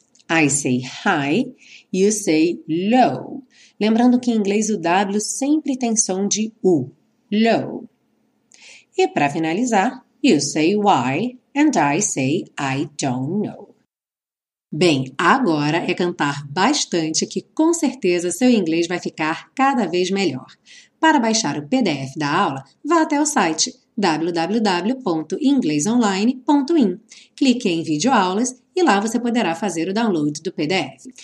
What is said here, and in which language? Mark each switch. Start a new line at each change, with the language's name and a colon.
English: I say hi, you say low.
Portuguese: Lembrando que em inglês o W sempre tem som de U.
English: low.
Portuguese: E para finalizar,
English: you say why and I say I don't know.
Portuguese: Bem, agora é cantar bastante que com certeza seu inglês vai ficar cada vez melhor. Para baixar o PDF da aula, vá até o site www.inglesonline.in. Clique em videoaulas e lá você poderá fazer o download do PDF.